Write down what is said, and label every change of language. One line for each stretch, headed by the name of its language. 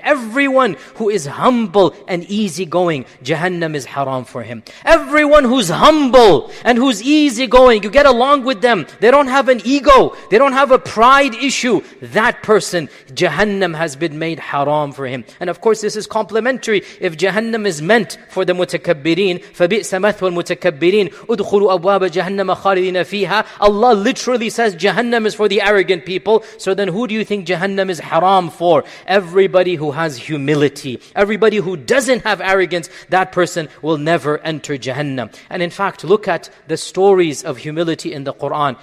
English: Everyone who is humble and easygoing, Jahannam is haram for him. Everyone who's humble and who's easygoing, you get along with them, they don't have an ego, they don't have a pride issue, that person, Jahannam has been made haram for him. And of course, this is complimentary. If Jahannam is meant for the mutakabbirin,
Arabic: فَبِئْسَ مَثْوَى الْمُتَكَبِّرِينَ اُدْخُلُوا أَبْوَابَ جَهَنَّمَ خَالِدِينَ فِيهَا.
English: Allah literally says Jahannam is for the arrogant people. So then who do you think Jahannam is haram for? Everybody who has humility, everybody who doesn't have arrogance, that person will never enter Jahannam. And in fact, look at the stories of humility in the Quran.